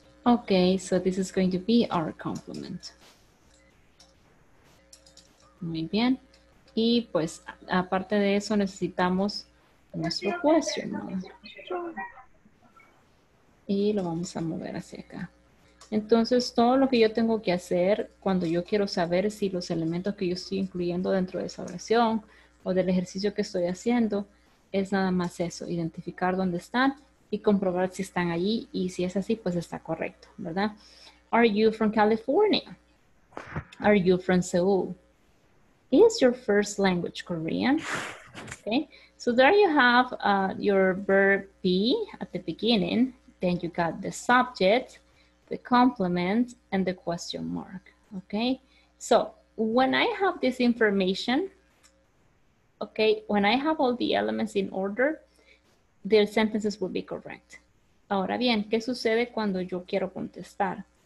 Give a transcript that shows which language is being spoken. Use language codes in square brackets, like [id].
[en] Okay, so this is going to be our complement. [es] Muy bien. Y pues, aparte de eso, necesitamos nuestro question. ¿No? Y lo vamos a mover hacia acá. Entonces, todo lo que yo tengo que hacer cuando yo quiero saber si los elementos que yo estoy incluyendo dentro de esa oración o del ejercicio que estoy haciendo es nada más eso, identificar dónde están y comprobar si están allí y si es así, pues está correcto, ¿verdad? [en] Are you from California? Are you from Seoul? Is your first language Korean? Okay, so there you have your verb be at the beginning. Then you got the subject, the complement, and the question mark. Okay, so when I have this information, okay, when I have all the elements in order, the sentences will be correct. [es] Ahora bien, ¿qué sucede cuando yo quiero contestar?